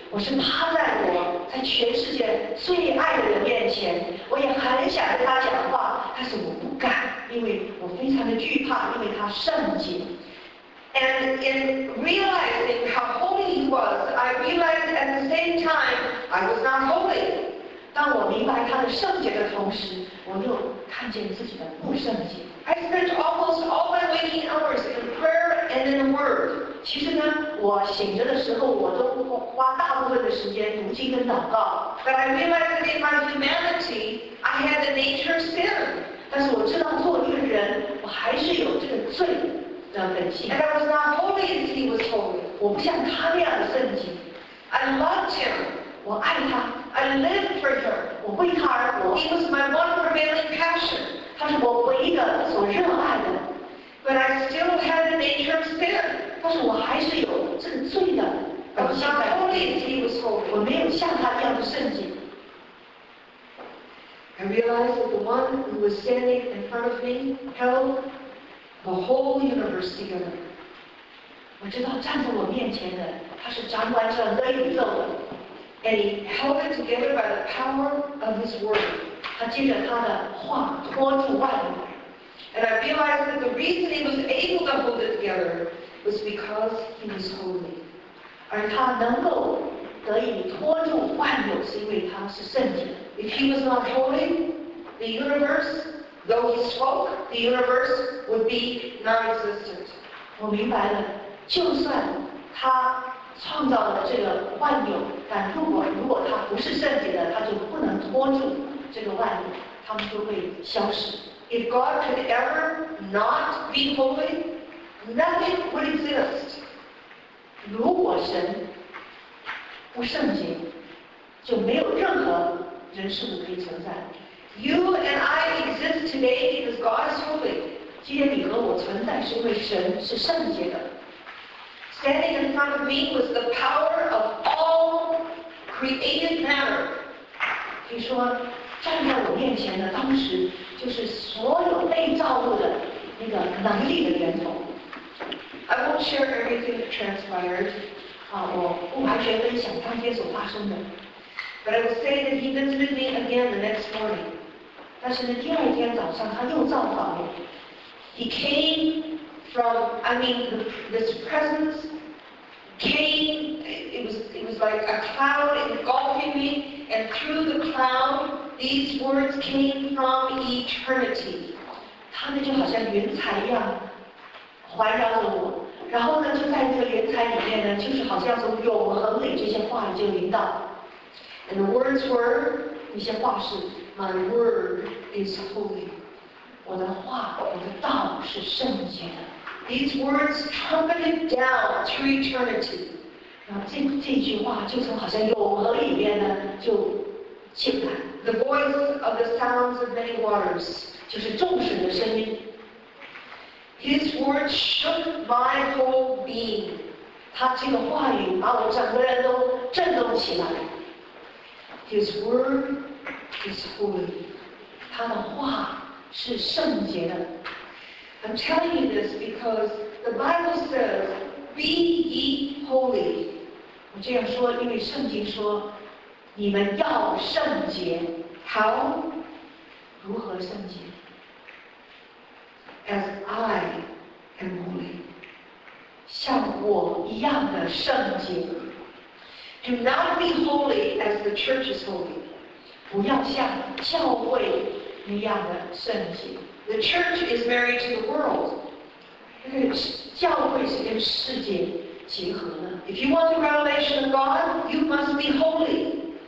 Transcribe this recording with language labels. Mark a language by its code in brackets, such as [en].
[zh] 我是趴在我在全世界最爱的人面前，我也很想跟他讲话，但是我不敢，因为我非常的惧怕，因为他圣洁。 [en] And in realizing how holy he was, I realized at the same time I was not holy. [zh] 当我明白他的圣洁的同时，我又看见自己的不圣洁。 [en] I spent almost all my waking hours in prayer and in the Word. [zh] 其实呢，我醒着的时候，我都花大部分的时间读经跟祷告。 [en] But I realized that in my humanity, I had the nature of sin. [zh] 但是我知道作为一个人，我还是有这个罪。 [en] And I was not holy as he was holy. [zh] 我不像他那样的圣洁。 [en] I loved him. [zh] 我爱他。 [en] I lived for him. [zh] 我为他而活。 [en] He was my one prevailing passion. [zh] 他是我唯一的所热爱的。 [en] But I still had the nature of sin. [zh] 但是我还是有这个罪的。 [en] I was not holy as he was holy. [zh] 我没有像他那样的圣洁。 [en] I realized that the one who was standing in front of me held. The whole universe together. [zh] 我知道站在我面前的，他是掌管着这宇宙的。 [en] And he held it together by the power of his word. [zh] 他借着他的话托住万物。 [en] And I realized that the reason he was able to hold it together was because he was holy. [zh] 而他能够得以托住万物，是因为他是圣洁。 [en] If he was not holy, the universe. Though he spoke, the universe would be non-existent. [zh] 我明白了，就算他创造了这个万有，但如果他不是圣洁的，他就不能托住这个万有，他们就会消失。 [en] If God could ever not be holy, nothing would exist. [zh] 如果神不圣洁，就没有任何人事物可以存在。 [en] You and I exist today because God is holy. [zh] 今天你和我存在是因为神是圣洁的。 [en] Standing in front of me was the power of all created matter. [zh] 你说站在我面前的当时就是所有被造物的那个能力的源头。 [en] I won't share everything that transpired. [zh] 我不完全分享当天所发生的。 [en] But I will say that he visited me again the next morning. [zh] 但是呢，第二天早上他又造访我。 [en] He came from, this presence came. It was like a cloud engulfing me, and through the cloud, these words came from eternity. [zh] 他呢就好像云彩一样环绕着我，然后呢就在这个云彩里面呢，就是好像从永恒里这些话就临到。 [en] And the words were, [zh] 那些话是 [en] My word is holy. [zh] 我的话，我的道是圣洁的。 [en] These words trumpeted down through eternity. [zh] 然后这句话就从好像永恒里面呢就进来。 [en] The voice of the sounds of many waters. [zh] 就是众神的声音。 [en] His word shook my whole being. [zh] 他这个话语把我整个人都震动起来。 [en] His word is holy. [zh] 他的话是圣洁的。 [en] I'm telling you this because the Bible says, be ye holy. [zh] 我这样说因为圣经说你们要圣洁。 [en] How? [zh] 如何圣洁？ [en] As I am holy, [zh] 像我一样的圣洁。 [en] Do not be holy as the church is holy. [zh] 不要像教会一样的圣洁。 [en] The church is married to the world. [zh] 教会是跟世界结合的。 [en] If you want the revelation of God, you must be holy.